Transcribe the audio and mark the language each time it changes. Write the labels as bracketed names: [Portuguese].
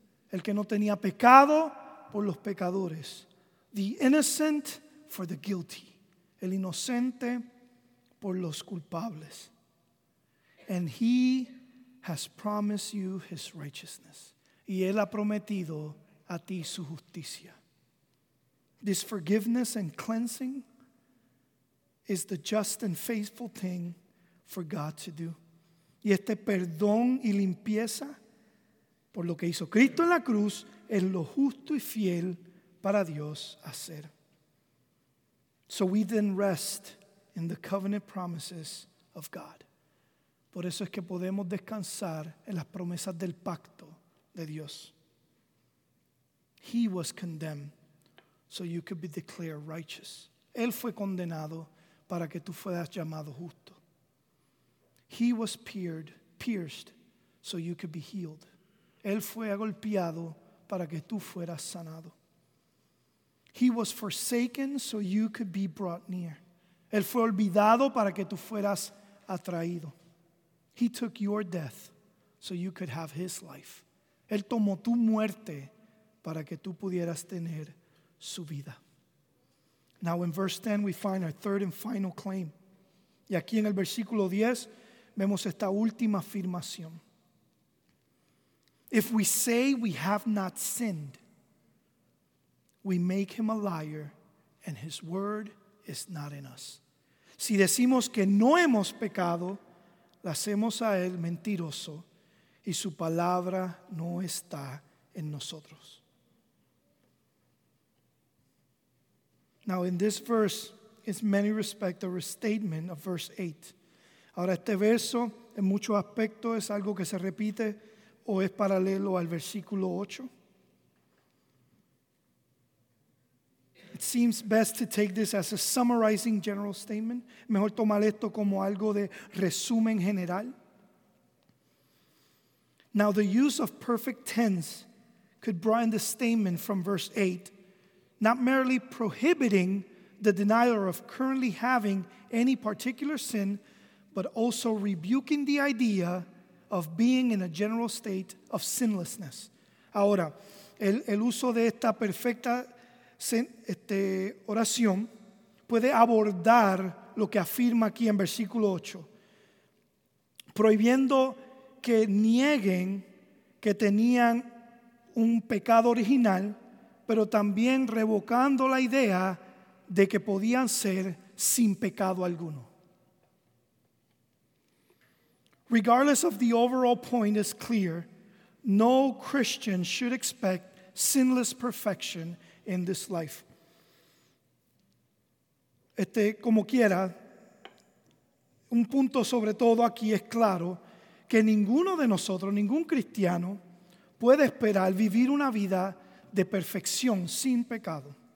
[Spanish] El que no tenía pecado por los pecadores. [English] The innocent for the guilty. [Spanish] El inocente por los culpables. [English] And he has promised you his righteousness. [Spanish] Y él ha prometido a ti su justicia. [English] This forgiveness and cleansing is the just and faithful thing for God to do. [Spanish] Y este perdón y limpieza por lo que hizo Cristo en la cruz es lo justo y fiel para Dios hacer. [English] So we then rest in the covenant promises of God. [Spanish] Por eso es que podemos descansar en las promesas del pacto de Dios. [English] He was condemned so you could be declared righteous. [Spanish] Él fue condenado para que tú fueras llamado justo. [English] He was pierced so you could be healed. [Spanish] Él fue golpeado para que tú fueras sanado. [English] He was forsaken so you could be brought near. [Spanish] Él fue olvidado para que tú fueras atraído. [English] He took your death so you could have his life. [Spanish] Él tomó tu muerte para que tú pudieras tener su vida. [English] Now in verse 10 we find our third and final claim. [Spanish] Y aquí en el versículo 10 vemos esta última afirmación. [English] If we say we have not sinned, we make him a liar and his word is not in us. [Spanish] Si decimos que no hemos pecado, le hacemos a él mentiroso y su palabra no está en nosotros. [English] Now in this verse, in many respects, a restatement of verse 8. [Spanish] Ahora este verso, en muchos aspectos, es algo que se repite o es paralelo al versículo 8. [English] It seems best to take this as a summarizing general statement. [Spanish] Mejor tomar esto como algo de resumen general. [English] Now, the use of perfect tense could broaden the statement from verse 8, not merely prohibiting the denier of currently having any particular sin, but also rebuking the idea of being in a general state of sinlessness. [Spanish] Ahora, el uso de esta perfecta oración puede abordar lo que afirma aquí en versículo 8, prohibiendo que nieguen que tenían un pecado original, pero también revocando la idea de que podían ser sin pecado alguno. [English] Regardless of the overall point is clear, no Christian should expect sinless perfection in this life. [Spanish] Como quiera, un punto sobre todo aquí es claro que ninguno de nosotros, ningún cristiano, puede esperar vivir una vida de perfección sin pecado.